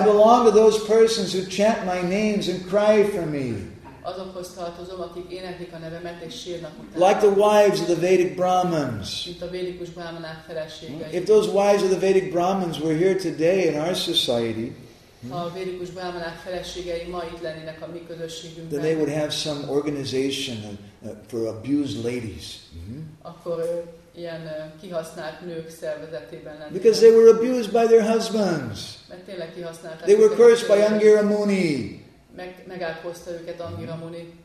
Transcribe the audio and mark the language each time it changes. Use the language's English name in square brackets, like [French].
[English] I belong to those persons who chant my names and cry for me. [Hungarian] Azokhoz tartozom, akik éneklik a nevemet és sírnak utána. [English] Like the wives of the Vedic Brahmins. [Hungarian] Mint a védikus brahmanák feleségei. [English] If those wives of the Vedic Brahmins were here today in our society, [Hungarian] ha a védikus brahmanák feleségei ma itt lennének a mi közösségünkben, [English] then they would have some organization for abused ladies. [Hungarian] Akkor ilyen kihasznált nők szervezetében lennének. [English] Because they were abused by their husbands. [Hungarian] Mert tényleg kihasználták. [English] They were cursed by Angira Muni. [Hungarian] Megálkozta őket Angira Muni.